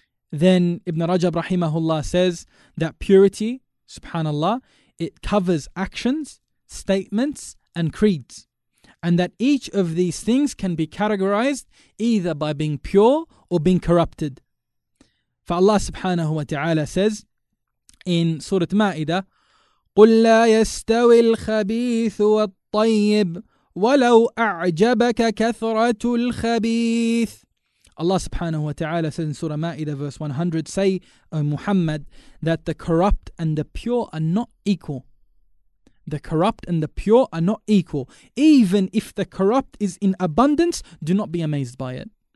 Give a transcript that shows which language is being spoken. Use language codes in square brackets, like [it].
[en] Then Ibn Rajab rahimahullah says that purity, subhanallah, it covers actions, statements, and creeds. And that each of these things can be categorized either by being pure or being corrupted. [ar] فالله سبحانه وتعالى [en] says in [ar] سورة مائدة: قل لا يستوي الخبيث والطيب ولو أعجبك كثرة الخبيث. [en] Allah subhanahu wa ta'ala says in Surah Ma'idah verse 100, say, O Muhammad, that the corrupt and the pure are not equal. The corrupt and the pure are not equal. Even if the corrupt is in abundance, do not be amazed by it.